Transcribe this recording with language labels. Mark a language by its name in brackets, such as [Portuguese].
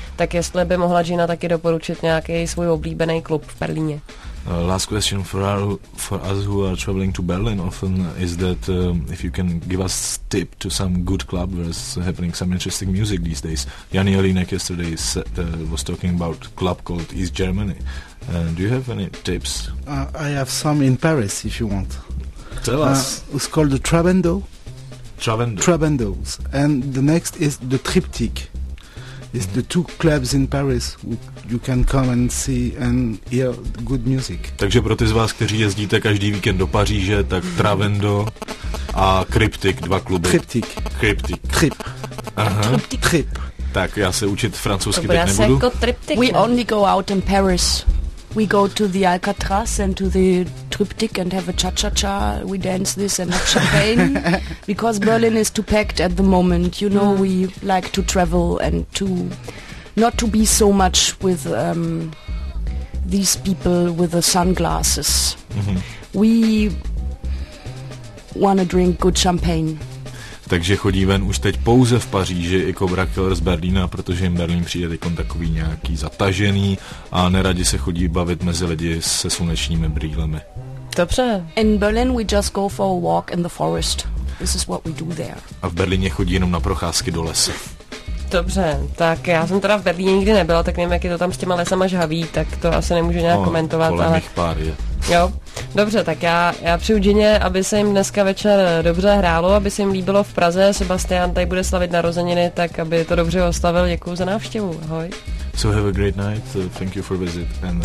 [Czech] Tak jestli by mohla Gina taky doporučit nějaký svůj oblíbený klub v Berlíně. [English] Last question for us who are traveling to Berlin often is that if you can give us tip to some good club where is happening some interesting music these days. Jan Jelinek yesterday was talking about club called East Germany. Do you have any tips? I have some in Paris if you want. Tell us. It's called the Trabendo. Trabendo. Trabendos. And the next is the Triptych. It's the two clubs in Paris you can come and see and hear good music. [Czech] Takže pro ty z vás, kteří jezdíte každý víkend do Paříže, tak Trabendo A Kryptik, dva kluby. Kryptik. Kryptik. Trip. Aha. Trip. Tak, já se učit francouzsky teď nebudu. Jako triptyk, [English] we only go out in Paris. We go to the Alcatraz and to the Triptych and have a cha-cha-cha. We dance this and have champagne. Because Berlin is too packed at the moment. You know, we like to travel and to not to be so much with these people with the sunglasses. Mm-hmm. We want to drink good champagne. [Czech] Takže chodí ven už teď pouze v Paříži i Cobra Killers z Berlína, protože jim Berlín přijde teď takový nějaký zatažený a neradi se chodí bavit mezi lidi se slunečními brýlemi. Dobře. [English] In Berlin we just go for a walk in the forest. This is what we do there. [Czech] A v Berlíně chodí jenom na procházky do lesa. Dobře, tak já jsem teda v Berlíně nikdy nebyla, tak nevím, jak je to tam s těma lesama žhavý, tak to asi nemůžu nějak komentovat. Kolem jich pár je. Jo, dobře, tak já přeju Džině, aby se jim dneska večer dobře hrálo, aby se jim líbilo v Praze, Sebastian tady bude slavit narozeniny, tak aby to dobře oslavil, děkuju za návštěvu, ahoj. [English] So have a great night, thank you for visit and